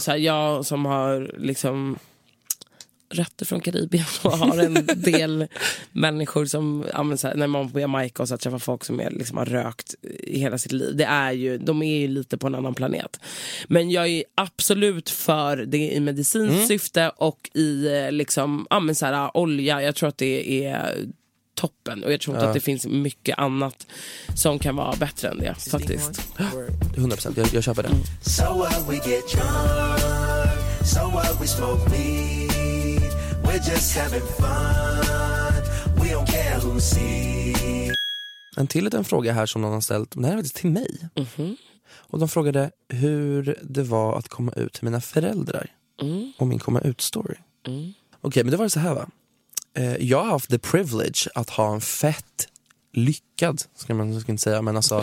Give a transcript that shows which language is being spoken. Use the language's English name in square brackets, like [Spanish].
[Swedish] Så här, jag som har liksom rötter från Karibien och har en del människor som använder så här, när man på Jamaica och så träffar folk som är, liksom, har rökt i hela sitt liv, det är ju, de är ju lite på en annan planet. Men jag är absolut för det i medicinskt syfte och i liksom använder så här, olja, jag tror att det är toppen, och jag tror inte att det finns mycket annat som kan vara bättre än det faktiskt. 100%, jag köper det. [English] So while we get drunk, so while we smoke weed, we're just having fun. We don't care who sees. [Swedish] En till liten fråga här som någon har ställt. Det här är faktiskt till mig. Och de frågade hur det var att komma ut till mina föräldrar. Och min komma ut story. Okej, men det var så här va. Jag har haft [English] the privilege [Swedish] att ha en fett lyckad, ska man inte säga, men alltså